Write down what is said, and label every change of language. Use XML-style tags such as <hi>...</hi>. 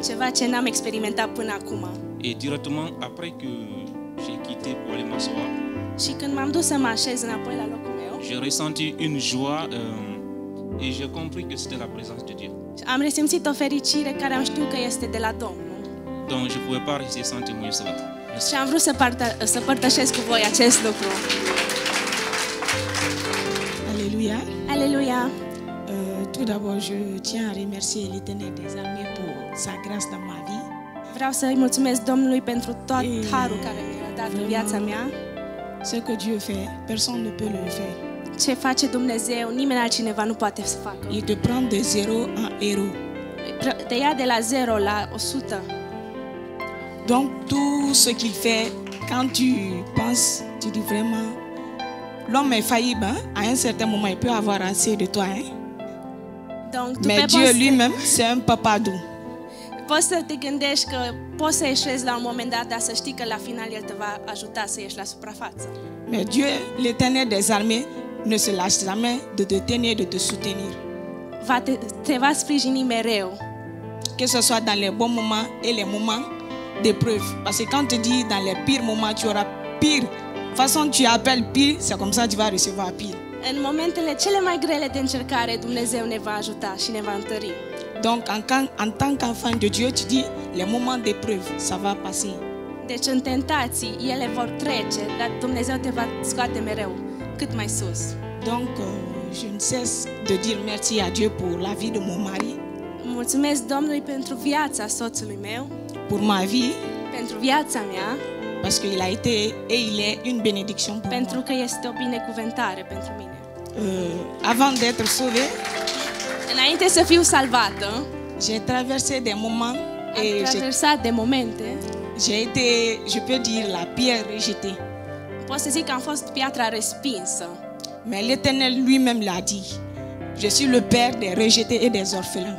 <ro>Ceva ce n-am experimentat până acum.</ro> <fr>Et directement après que j'ai quitté pour aller m'asseoir.</fr> <ro>Și când m-am dus să mă așez înapoi la locul meu.</ro> <fr>J'ai ressenti une joie et j'ai compris que c'était la présence de Dieu.</fr> <ro>Am resimțit o fericire care am știut că este de la Domnul.</ro> <fr>Donc je pouvais pas rester sans témoigner cela.</fr> <ro>Și am vrut să părtășesc cu voi acest lucru. Aleluia. Aleluia.</ro> <fr>Tout d'abord, je tiens à remercier l'Éternel des armées pour sa grâce dans ma vie.</fr> <ro>Vreau să îi mulțumesc Domnului pentru tot harul care mi l-a dat în viața mea.</ro> <fr>Ce que Dieu fait, personne ne peut le faire.</fr> <ro>Ce face Dumnezeu, nimeni altcineva nu poate să facă.</ro> <fr>Il te prend de zéro en héros.</fr> <ro>Te ia de la 0 la 100.</ro> <fr>Donc tout ce qu'il fait, quand tu penses, tu dis vraiment, l'homme est faillible, hein? À un certain moment, il peut avoir assez de toi. Hein? Donc, mais Dieu lui-même, c'est un papa doux.</fr> <ro>Poți să te gândești că poți să ieșezi la un moment dat, dar să știi că la final El te va ajuta să ieși la suprafață.</ro> <fr>Mais Dieu, l'Éternel des armées, ne se lasse jamais de te tenir, de te soutenir.</fr> <ro>Te va sprijini mereu.</ro> <fr>Que ce soit dans les bons moments et les moments d'épreuve. Parce que quand tu dis dans les pires moments, tu auras pire. Façon tu appelles pire, c'est comme ça que tu vas recevoir pire.</fr> <ro>În momentele cele mai grele de încercare, Dumnezeu ne va ajuta și ne va întări.</ro> <fr>Donc en tant qu'enfant de Dieu, tu dis les moments d'épreuve, ça va passer.</fr> <ro>Deci în tentații, ele vor trece, dar Dumnezeu te va scoate mereu, cât mai sus.</ro> <fr>Donc je ne cesse de dire merci à Dieu pour la vie de mon mari.</fr> <ro>Mulțumesc Domnului pentru viața soțului meu.</ro> <fr>Pour ma vie.</fr> <ro>Pentru viața mea.</ro> <fr>Parce qu'il a été et il est une bénédiction pour</fr> <ro>pentru moi. Că este o binecuvântare pentru mine.</ro> <fr>Avant d'être sauvé.</fr> <ro>Înainte să fiu salvată.</ro> <fr>J'ai traversé des moments et j'ai traversé des momente. J'ai été, je peux dire la pierre rejetée.</fr> <ro>Pot să zic că am fost piatra respinsă.</ro> <fr>Mais l'Éternel lui-même l'a dit. Je suis le père des rejetés et des orphelins.</fr>